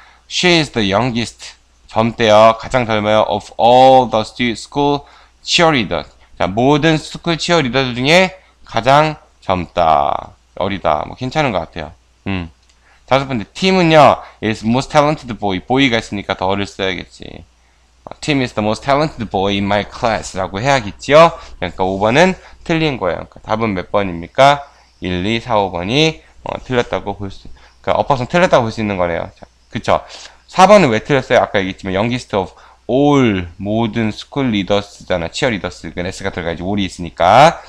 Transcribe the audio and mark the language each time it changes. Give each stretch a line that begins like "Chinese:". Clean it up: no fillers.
English: She is the youngest.
Korean: 젊대요. 가장 젊어요.
English: Of all the school cheerleaders.
Korean: 자, 모든 스쿨 치어리더들 중에 가장 젊다. 어리다. 뭐 괜찮은 것 같아요. 5번째, 팀은요,
English: is most talented boy.
Korean: 보이가 있으니까 더 어를 써야겠지.
English: Team is the most talented boy in my class.
Korean: 라고 해야겠지요? 그러니까 5번은 틀린 거예요. 그러니까 답은 몇 번입니까? 1, 2, 4, 5번이 틀렸다고 볼 수, 그러니까 어퍼선 틀렸다고 볼수 있는 거네요. 자, 그쵸? 4번은 왜 틀렸어요? 아까 얘기했지만,
English: youngest of all,
Korean: 모든 school leaders잖아. cheerleaders. 그 S가 들어가야지. all이 있으니까.